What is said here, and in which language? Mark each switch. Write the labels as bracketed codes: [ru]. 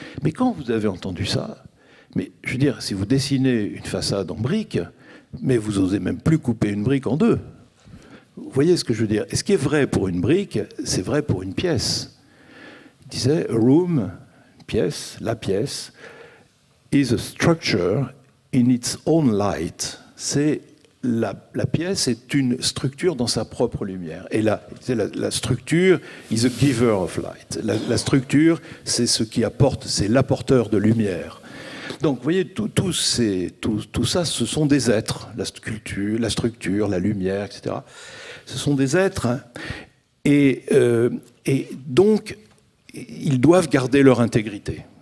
[fr] Mais quand vous avez entendu ça, mais, je veux dire, si vous dessinez une façade en brique, mais vous n'osez même plus couper une brique en deux, vous voyez ce que je veux dire? Et ce qui est vrai pour une brique, c'est vrai pour une pièce. Il disait, « room », pièce, la pièce, [en] is a structure in its own light. [fr] C'est la pièce est une structure dans sa propre lumière. Et là, la structure [en] is a giver of light. [fr] La structure, c'est ce qui apporte, c'est l'apporteur de lumière. Donc, vous voyez, tout ça, ce sont des êtres, la sculpture, la structure, la lumière, etc. Ce sont des êtres. Hein. Et donc, ils doivent garder leur intégrité.